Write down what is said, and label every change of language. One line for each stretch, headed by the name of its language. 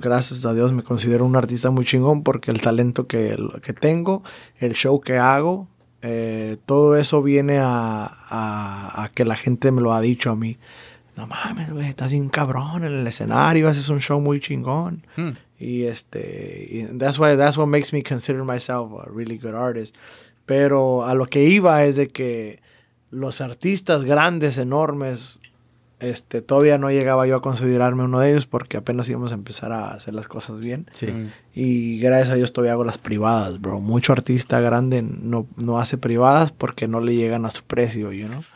Spanish: Gracias a Dios me considero un artista muy chingón porque el talento que tengo, el show que hago, todo eso viene a que la gente me lo ha dicho a mí. No mames, güey, estás bien cabrón en el escenario, haces un show muy chingón. Hmm. Y este,
English: that's what makes me consider myself a really good artist.
Spanish: Pero a lo que iba es de que los artistas grandes, enormes, este, todavía no llegaba yo a considerarme uno de ellos porque apenas íbamos a empezar a hacer las cosas bien. Sí. Y gracias a Dios todavía hago las privadas, bro. Mucho artista grande no hace privadas porque no le llegan a su precio,
English: you know?